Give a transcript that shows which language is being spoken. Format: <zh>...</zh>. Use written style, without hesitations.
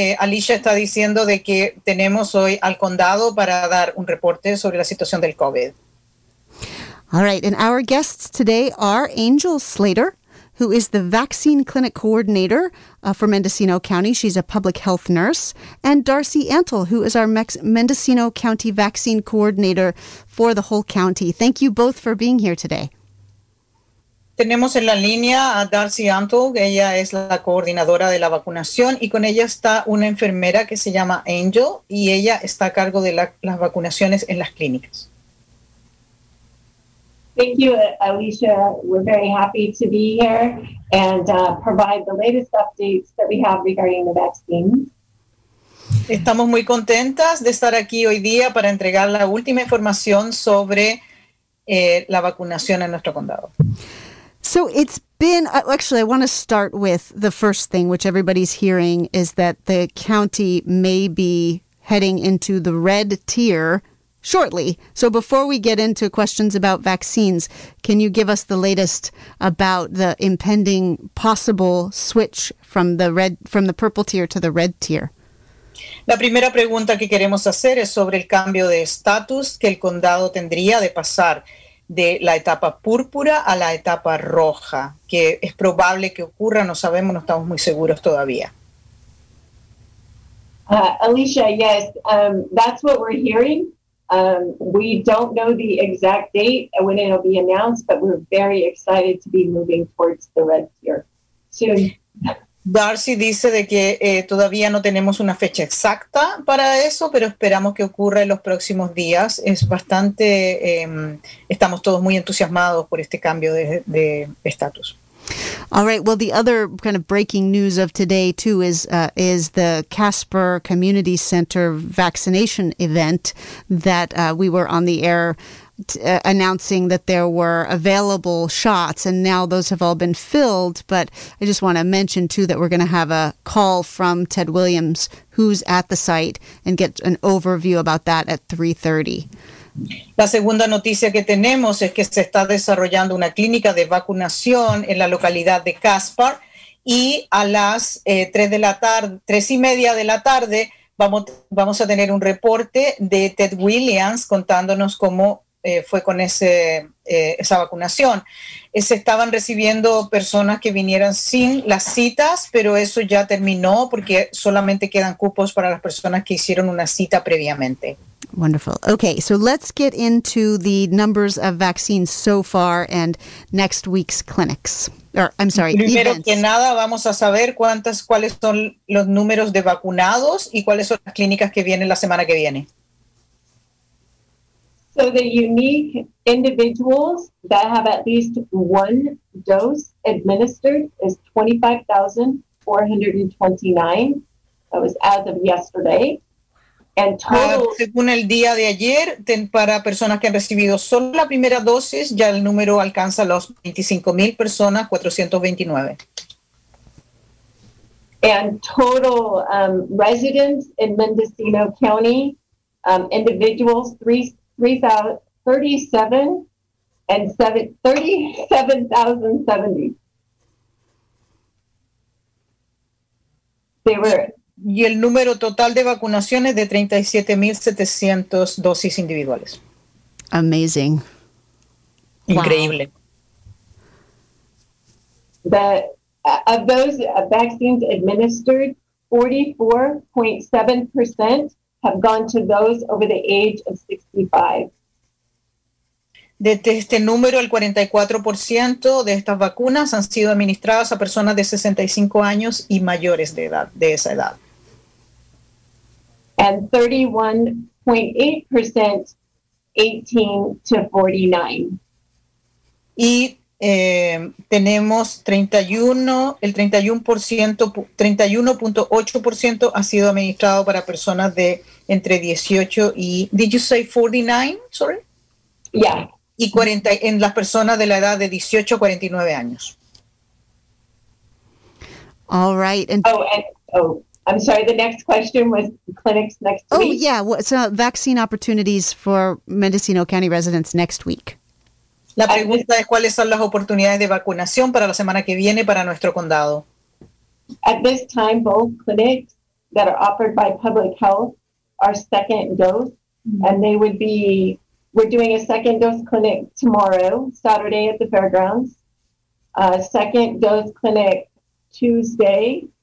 <es>Alicia está diciendo de que tenemos hoy al condado para dar un reporte sobre la situación del COVID.</es> <en>All right, and our guests today are Angel Slater, who is the vaccine clinic coordinator for Mendocino County. She's a public health nurse. And Darcy Antle, who is our Mendocino County vaccine coordinator for the whole county. Thank you both for being here today.</en> <es>Tenemos en la línea a Darcy Antle. Ella es la coordinadora de la vacunación y con ella está una enfermera que se llama Angel y ella está a cargo de las vacunaciones en las clínicas.</es> <en>Thank you, Alicia. We're very happy to be here and provide the latest updates that we have regarding the vaccine.</en> <es>Estamos muy contentas de estar aquí hoy día para entregar la última información sobre la vacunación en nuestro condado.</es> <en>So it's been, actually, I want to start with the first thing, which everybody's hearing, is that the county may be heading into the red tier shortly. So before we get into questions about vaccines, can you give us the latest about the impending possible switch from the red, from the purple tier to the red tier?</en> <es>La primera pregunta que queremos hacer es sobre el cambio de estatus que el condado tendría de pasar de la etapa púrpura a la etapa roja, que es probable que ocurra, no sabemos, no estamos muy seguros todavía.</es> <en>Alicia, yes, that's what we're hearing. We don't know the exact date when it'll be announced, but we're very excited to be moving towards the red tier soon.</en> <es>Darcy dice de que todavía no tenemos una fecha exacta para eso, pero esperamos que ocurra en los próximos días. Es bastante, estamos todos muy entusiasmados por este cambio de estatus.</es> <en>All right. Well, the other kind of breaking news of today, too, is the Casper Community Center vaccination event that we were on the air announcing that there were available shots, and now those have all been filled. But I just want to mention, too, that we're going to have a call from Ted Williams, who's at the site, and get an overview about that at 3:30.</en> <es>La segunda noticia que tenemos es que se está desarrollando una clínica de vacunación en la localidad de Caspar y a las 3:30 de la tarde vamos a tener un reporte de Ted Williams contándonos cómo fue con esa vacunación. Se estaban recibiendo personas que vinieran sin las citas, pero eso ya terminó porque solamente quedan cupos para las personas que hicieron una cita previamente.</es> <en>Wonderful. Okay, so let's get into the numbers of vaccines so far and next week's clinics. Or, I'm sorry,</en> <es>Primero</es> <en>events.</en> <es>Que nada, vamos a saber cuáles son los números de vacunados y cuáles son las clínicas que vienen la semana que viene.</es> <en>So the unique individuals that have at least one dose administered is 25,429. That was as of yesterday. And total,</en> <es>según el día de ayer, para personas que han recibido solo la primera dosis, ya el número alcanza los 25,000 personas, 429.</es> <en>And total residents in Mendocino County, individuals, 37,070. They were...</en> <es>Y el número total de vacunaciones de 37,700 dosis individuales.</es> <en>Amazing.</en> <es>Increíble.</es> <en>Wow. Of those vaccines administered, 44.7% have gone to those over the age of 65.</en> <es>De este número, el 44% de estas vacunas han sido administradas a personas de 65 años y mayores de edad, de esa edad.</es> <en>And 31.8% 18 to 49.</en> <es>Y tenemos 31.8% ha sido administrado para personas de entre 18 y,</es> <en>did you say 49, sorry? Yeah.</en> <es>y 40 en las personas de la edad de 18 a 49 años.</es> <en>All right. I'm sorry, the next question was clinics next week. Oh, yeah. Well, so vaccine opportunities for Mendocino County residents next week.</en> <es>La pregunta es cuáles son las oportunidades de vacunación para la semana que viene para nuestro condado.</es> <en>At this time, both clinics that are offered by public health are second dose, and they would be, we're doing a second dose clinic tomorrow, Saturday at the fairgrounds, second dose clinic Tuesday.</en>